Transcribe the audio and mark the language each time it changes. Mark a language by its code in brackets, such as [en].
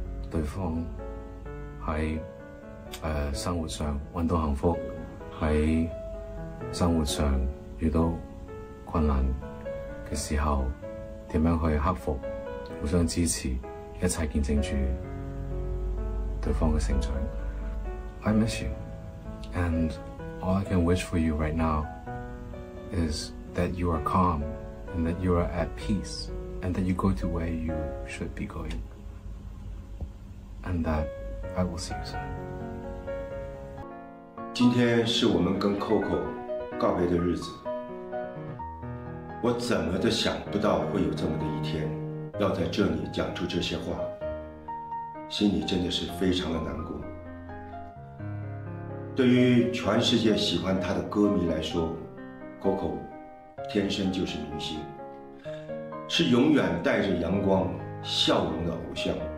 [zh] 对方在生活上找到幸福，在生活上遇到困难的时候怎样去克服，互相支持，一切见证着对方的成长。 [en] I miss you, and all I can wish for you right now is that you are calm and that you are at peace and that you go to where you should be goingAnd that I will see you soon. [zh] 今天是我们跟 Coco 告别的日子。我怎么都想不到会有这么的一天，要在这里讲出这些话，心里真的是非常的难过。对于全世界喜欢他的歌迷来说， Coco 天生就是明星，是永远带着阳光笑容的偶像。